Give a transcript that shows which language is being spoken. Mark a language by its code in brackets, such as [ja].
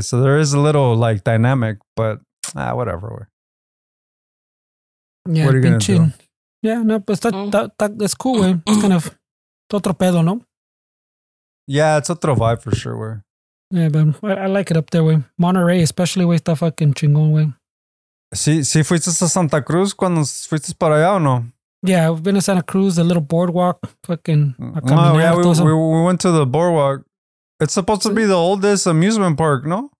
[en] So there is a little like dynamic, but whatever way. Yeah, what are you pinching. Do? Yeah, no, but that's cool, güey. It's kind of [es] otro pedo, no? [en] Yeah, it's otro vibe for sure, güey. Yeah, but I like it up there, güey. [es] Monterrey, especially, güey, está fucking chingón, güey. ¿Sí fuiste a Santa Cruz cuando fuiste para allá o no? [en] Yeah, we've been to Santa Cruz, the little boardwalk, fucking. No, yeah, we went to the boardwalk. It's supposed to be the oldest amusement park, no?